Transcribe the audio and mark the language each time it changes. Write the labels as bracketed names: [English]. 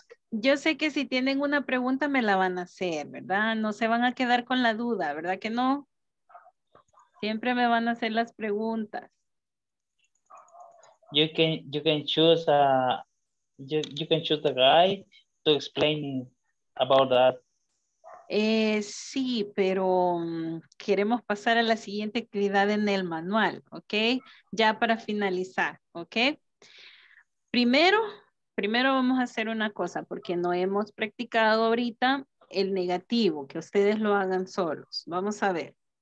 [Spanish] Yo sé que si tienen una pregunta me la van a hacer, ¿verdad? No se van a quedar con la duda, ¿verdad que no? Siempre me van a hacer las preguntas. [English] You can choose the guy to explain about that. [Spanish] Sí, pero queremos pasar a la siguiente actividad en el manual, ¿ok? Ya para finalizar, ¿ok? Primero vamos a hacer una cosa, porque no hemos practicado ahorita el negativo, que ustedes lo hagan solos. Vamos a ver.